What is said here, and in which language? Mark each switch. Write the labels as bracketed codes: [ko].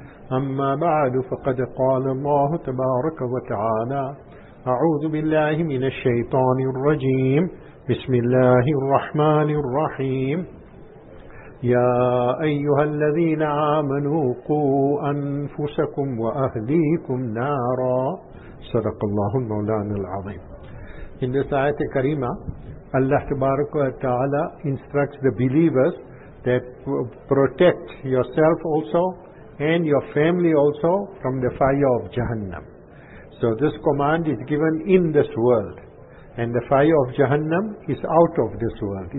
[ar] Amma ba'du, faqad qala Allah tabaraka wa ta'ala, أعوذ بالله من الشيطان الرجيم, بسم الله الرحمن الرحيم. يا أيها الذين آمنوا قوا أنفسكم وأهليكم نارا, صدق الله المولانا العظيم. [en] In this ayat al-Karima, Allah [ar] تبارك وتعالى [en] instructs the believers that protect yourself also and your family also from the fire of Jahannam. So this command is given in this world, and the fire of Jahannam is out of this world.